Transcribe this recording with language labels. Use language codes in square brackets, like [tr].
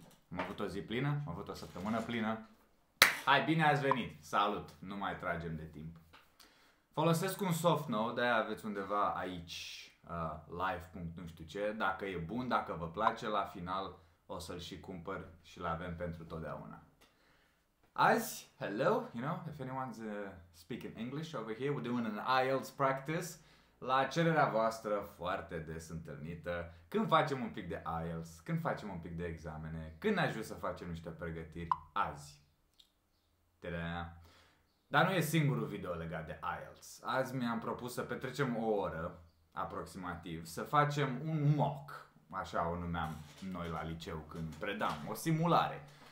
[ro] Am avut o zi plină, am avut o săptămână plină. Hai, bine ați venit! Salut! Nu mai tragem de timp. Folosesc un soft nou, de-aia aveți undeva aici, live. Nu știu ce. Dacă e bun, dacă vă place, la final o să-l și cumpăr și l-avem pentru totdeauna. [en] Azi, hello, you know, if anyone's speaking English over here, we're doing an IELTS practice. [ro] La cererea voastră foarte des întâlnită, când facem un pic de IELTS, când facem un pic de examene, când ne ajut să facem niște pregătiri, azi. Ta-da. Dar nu e singurul video legat de IELTS. Azi mi-am propus să petrecem o oră, aproximativ, să facem un mock, așa o numeam noi la liceu când predam, o simulare.